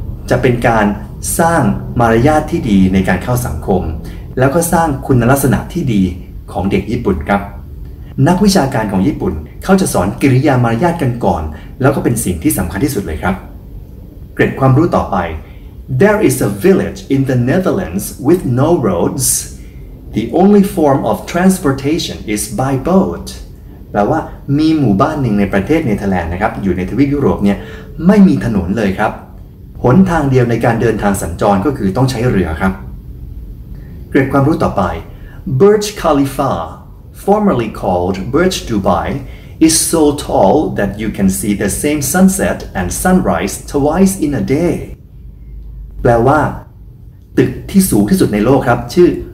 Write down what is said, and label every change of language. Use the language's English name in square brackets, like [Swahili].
[Thai] จะเป็นการสร้างมารยาทที่ดีในการเข้าสังคมแล้วก็สร้างคุณลักษณะที่ดีของเด็กญี่ปุ่นครับนักวิชาการของญี่ปุ่นเขาจะสอนกิริยามารยาทกันก่อนแล้วก็เป็นสิ่งที่สำคัญที่สุดเลยครับเกร็ดความรู้ต่อไป [English] There is a village in the Netherlands with no roads. The only form of transportation is by boat. [Thai] แปลว่ามีหมู่บ้านหนึ่งในประเทศเนเธอร์แลนด์นะครับอยู่ในทวีปยุโรปเนี่ยไม่มีถนนเลยครับหนทางเดียวในการเดินทางสัญจรก็คือต้องใช้เรือครับเกร็ดความรู้ต่อไป [English] Burj Khalifa, formerly called Burj Dubai, is so tall that you can see the same sunset and sunrise twice in a day. [Thai] แปลว่าตึกที่สูงที่สุดในโลกครับชื่อ